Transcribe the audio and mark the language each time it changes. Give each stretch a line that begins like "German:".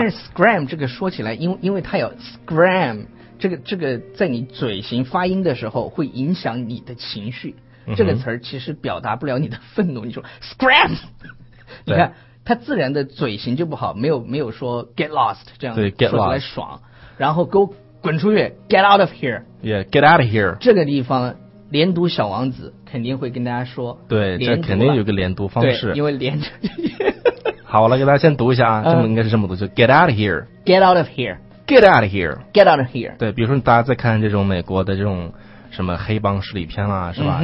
Chinese: 但是 scram 这个说起来，因为它有 scram, 这个在你嘴型发音的时候会影响你的情绪，这个词其实表达不了你的愤怒，你说 scram, 你看它自然的嘴型就不好，没有说
English: get lost
Chinese: 这样
English: 对 get lost
Chinese: 说出来爽，然后 go,滚出去 ，
English: Get out of here. Yeah, get out of here.
Chinese: 这个地方连读小王子肯定会跟大家说，对，这肯定有个连读方式，对，因为连着。好，我来给大家先读一下啊，这么应该是这么读，就
English: Get out of here. Get out of here. Get out of here. Get out of here.
Chinese: 对，比如说大家在看这种美国的这种什么黑帮势力片啦、啊，是吧？